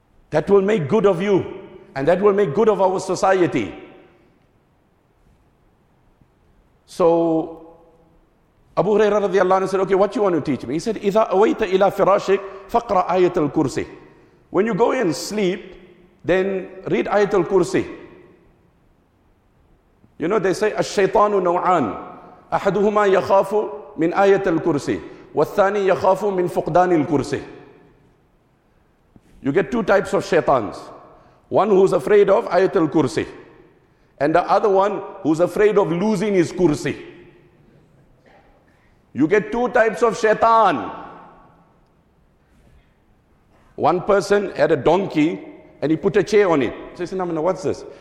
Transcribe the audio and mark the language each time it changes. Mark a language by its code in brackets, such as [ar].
[en] That will make good of you, and that will make good of our society. So, Abu Huraira radiallahu anhu said, okay, what you want to teach me? He said, [ar] إِذَا أَوَيْتَ إِلَىٰ فِرَاشِكْ فَقْرَ آيَةَ الْكُرْسِ. [en] When you go and sleep, then read آيَةَ الْكُرْسِ. You know, they say, [ar] الشَّيْطَانُ نَوْعَانُ. أحدهما يخاف من آية الكرسي والثاني يخاف من فقدان الكرسي. [en] You get 2 types of shaitans. One who's afraid of ayatul kursi, and the other one who's afraid of losing his kursi. You get 2 types of shaitan. One person had a donkey and he put a chair on it. So he said, Namana, what's this?